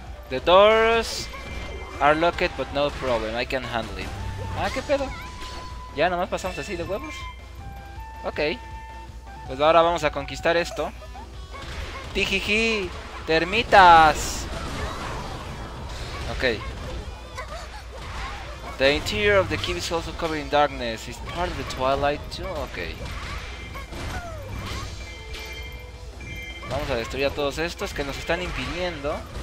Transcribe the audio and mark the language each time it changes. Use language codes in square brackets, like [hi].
[en] The doors are locked, but no problem. I can handle it. [es] ¡Ah, qué pedo! Ya, nomás pasamos así de huevos. Ok. Pues ahora vamos a conquistar esto. ¡Tijiji! ¡Termitas! Ok. [en] The interior of the cave is also covered in darkness. It's part of the twilight too. Ok. [es] Vamos a destruir a todos estos que nos están impidiendo.